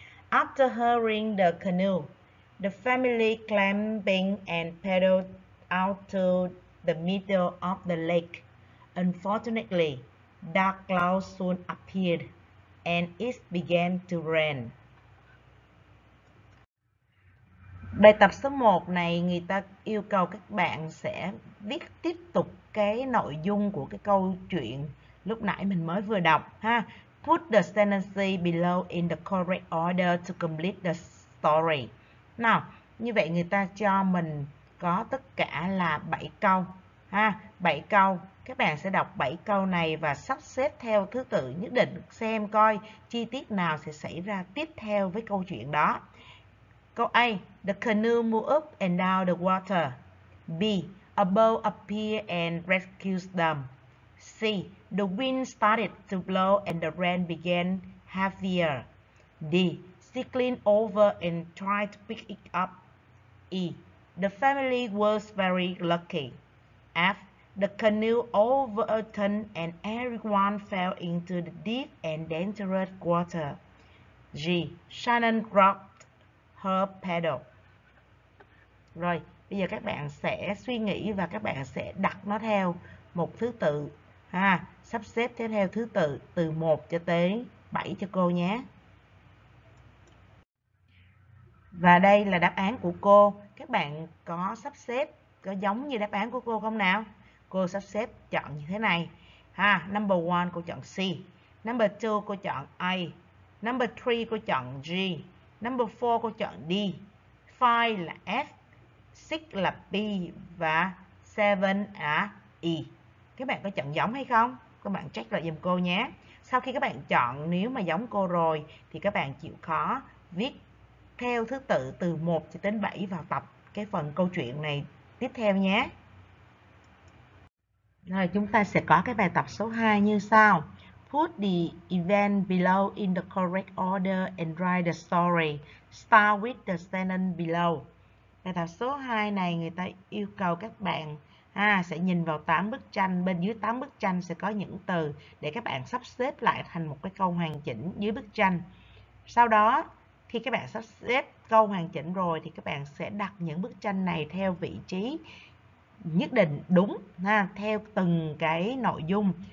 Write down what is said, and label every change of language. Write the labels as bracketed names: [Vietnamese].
[English] After hiring the canoe, the family clambered and paddled out to the middle of the lake. Unfortunately, dark clouds soon appeared and it began to rain. [Vietnamese] Bài tập số 1 này người ta yêu cầu các bạn sẽ viết tiếp tục cái nội dung của cái câu chuyện lúc nãy mình mới vừa đọc ha. [English] Put the sentence below in the correct order to complete the story. [Vietnamese] Nào, như vậy người ta cho mình có tất cả là 7 câu ha, 7 câu. Các bạn sẽ đọc 7 câu này và sắp xếp theo thứ tự nhất định xem coi chi tiết nào sẽ xảy ra tiếp theo với câu chuyện đó. [English] Câu A, the canoe moved up and down the water. B, a boat appeared and rescued them. C, the wind started to blow and the rain began heavier. D, she cleaned over and tried to pick it up. E, the family was very lucky. F, the canoe overturned and everyone fell into the deep and dangerous water. G, Shannon dropped her paddle. [Vietnamese] Rồi, bây giờ các bạn sẽ suy nghĩ và các bạn sẽ đặt nó theo một thứ tự. Ha, sắp xếp theo thứ tự từ 1 cho tới 7 cho cô nhé. Và đây là đáp án của cô. Các bạn có sắp xếp có giống như đáp án của cô không nào? Cô sắp xếp chọn như thế này. Ha, number 1 cô chọn C. Number 2 cô chọn A. Number 3 cô chọn G. Number 4 cô chọn D. 5 là F. 6 là B và 7 là E. Các bạn có chọn giống hay không? Các bạn check lại giùm cô nhé. Sau khi các bạn chọn nếu mà giống cô rồi thì các bạn chịu khó viết theo thứ tự từ 1 cho đến 7 vào tập cái phần câu chuyện này tiếp theo nhé. Rồi chúng ta sẽ có cái bài tập số 2 như sau. [English] Put the event below in the correct order and write the story. Start with the sentence below. [Vietnamese] Bài tập số 2 này người ta yêu cầu các bạn sẽ nhìn vào 8 bức tranh, bên dưới 8 bức tranh sẽ có những từ để các bạn sắp xếp lại thành một cái câu hoàn chỉnh dưới bức tranh. Sau đó, khi các bạn sắp xếp câu hoàn chỉnh rồi thì các bạn sẽ đặt những bức tranh này theo vị trí nhất định đúng, theo từng cái nội dung.